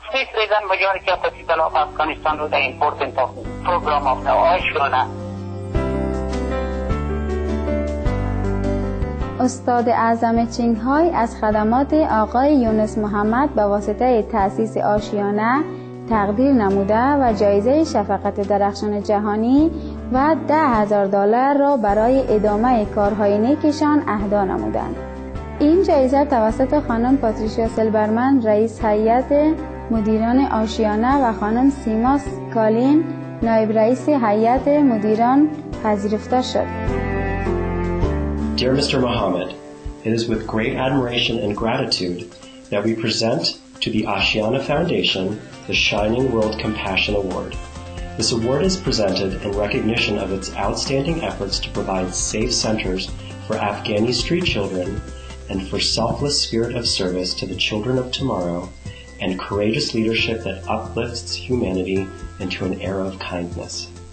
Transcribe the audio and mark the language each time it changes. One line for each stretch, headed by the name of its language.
English: This reason, majority of the people of Afghanistan know the importance of the program of the Ashiana.
Persian: استاد اعظم چینگهای از خدمات آقای یونس محمد به واسطه تأسیس آشیانه تقدیر نموده و جایزه شفقت درخشان جهانی و $10,000 را برای ادامه کارهای نیکشان اهدا نمودند. این جایزه توسط خانم پاتریشیا سلبرمن رئیس هیئت مدیران آشیانه و خانم سیماس کالین نایب رئیس هیئت مدیران پذیرفته شد.
English: Dear Mr. Muhammad, it is with great admiration and gratitude that we present to the Ashiana Foundation the Shining World Compassion Award. This award is presented in recognition of its outstanding efforts to provide safe centers for Afghani street children and for selfless spirit of service to the children of tomorrow and courageous leadership that uplifts humanity into an era of kindness.